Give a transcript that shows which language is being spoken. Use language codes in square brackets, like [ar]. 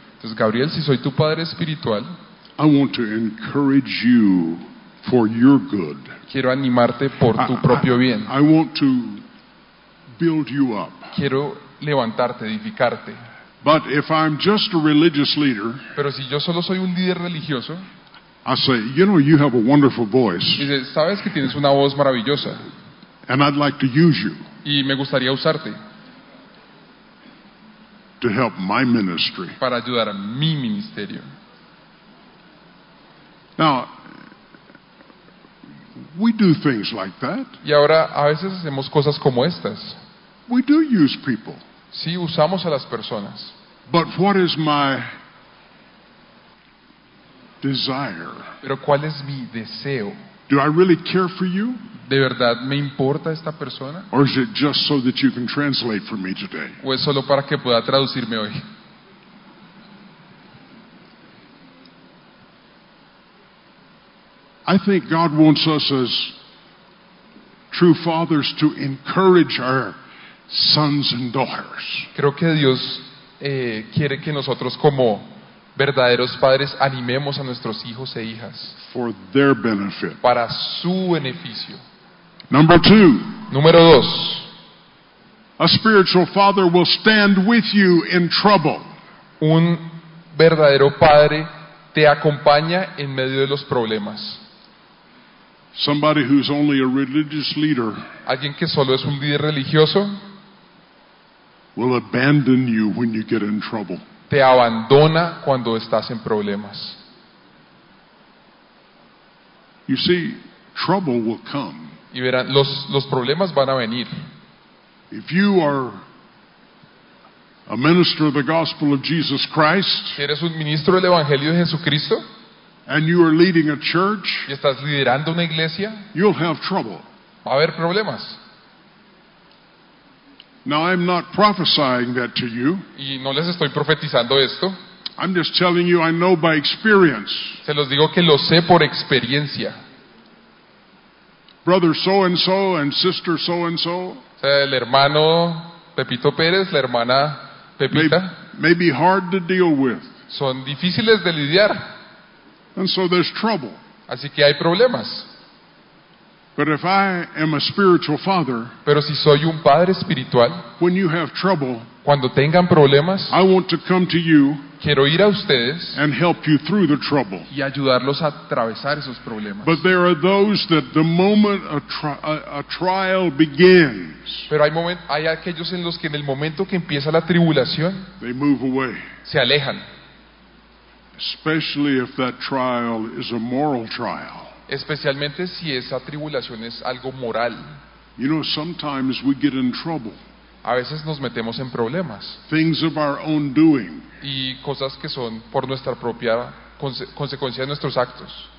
[es] entonces Gabriel, si soy tu padre espiritual, [en] I want to encourage you for your good. [es] Quiero animarte por tu propio bien. [en] I want to build you up. [es] Quiero levantarte, edificarte. [en] But if I'm just a religious leader, [es] pero si yo solo soy un líder religioso, [en] I say, you know, you have a wonderful voice. [es] Dice, sabes que tienes una voz maravillosa. [en] And I'd like to use you. [es] Y me gustaría usarte [en] to help my ministry. [es] Para ayudar a mi ministerio. [en] Now, we do things like that. [es] Y ahora a veces hacemos cosas como estas. [en] We do use people. [es] Sí, usamos a las personas. [en] But what is my desire? [es] Pero ¿cuál es mi deseo? [en] Do I really care for you? [es] ¿De verdad me importa esta persona? [en] Or is it just so that you can translate for me today? [es] ¿O es solo para que pueda traducirme hoy? [en] I think God wants us as true fathers to encourage our sons and daughters. [es] Creo que Dios quiere que nosotros como verdaderos padres animemos a nuestros hijos e hijas. [en] For their benefit. [es] Para su beneficio. [en] Number two. [es] Número dos. [en] A spiritual father will stand with you in trouble. [es] Un verdadero padre te acompaña en medio de los problemas. [en] Somebody who's only a religious leader. [es] Alguien que solo es un líder religioso. [en] Will abandon you when you get in trouble. [es] Te abandona cuando estás en problemas. [en] You see, trouble will come. [es] Y verán, los problemas van a venir. [en] If you are a minister of the gospel of Jesus Christ, [es] ¿eres un ministro del Evangelio de Jesucristo? [en] And you are leading a church, [es] y estás liderando una iglesia, [en] you'll have trouble. [es] Va a haber problemas. [en] Now I'm not prophesying that to you. [es] Y no les estoy profetizando esto. [en] I'm just telling you I know by experience. [es] Se los digo que lo sé por experiencia. [en] Brother so and so and sister so and so. [es] El hermano Pepito Pérez, la hermana Pepita. [en] May be hard to deal with. [es] Son difíciles de lidiar. [en] And so there's trouble. [es] Así que hay problemas. [en] But if I am a spiritual father, [es] pero si soy un padre espiritual, [en] when you have trouble, [es] cuando tengan problemas, [en] I want to come to you, [es] quiero ir a ustedes, [en] and help you through the trouble, [es] y ayudarlos a atravesar esos problemas. [en] But there are those that the moment a trial begins, [es] pero hay aquellos en los que en el momento que empieza la tribulación, [en] they move away, [es] se alejan. [en] Especially if that trial is a moral trial. [es] Especialmente si esa tribulación es algo moral. [en] You know, sometimes we get in trouble. [es] A veces nos metemos en problemas. [en] Things of our own doing. [es] Y cosas que son por nuestra propia consecuencia de nuestros actos.